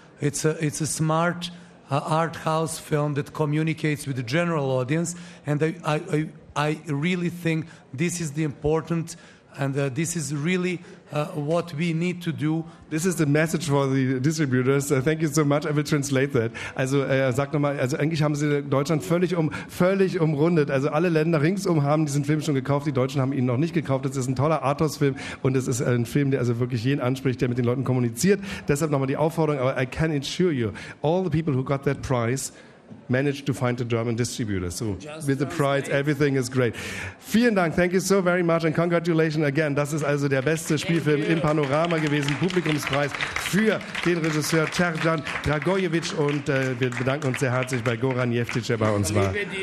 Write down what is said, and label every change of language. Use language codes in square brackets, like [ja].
[en] It's a smart art house film that communicates with the general audience, and I really think this is the important, and this is really what we need to do. This is the message for the distributors. Thank you so much. I will translate that. [de] Also, sag nochmal, also eigentlich haben sie Deutschland völlig umrundet. Also alle Länder ringsum haben diesen Film schon gekauft. Die Deutschen haben ihn noch nicht gekauft. Das ist ein toller Arthouse-Film und es ist ein Film, der also wirklich jeden anspricht, der mit den Leuten kommuniziert. Deshalb nochmal die Aufforderung, aber [en] I can assure you, all the people who got that prize managed to find a German distributor. So just with the prize, everything is great. [de] Vielen Dank, [en] thank you so very much and congratulations again. [de] Das ist also der beste Spielfilm im Panorama gewesen, Publikumspreis für den Regisseur Sergen Dragojevic und wir bedanken uns sehr herzlich bei Goran Jeftić, der bei uns war.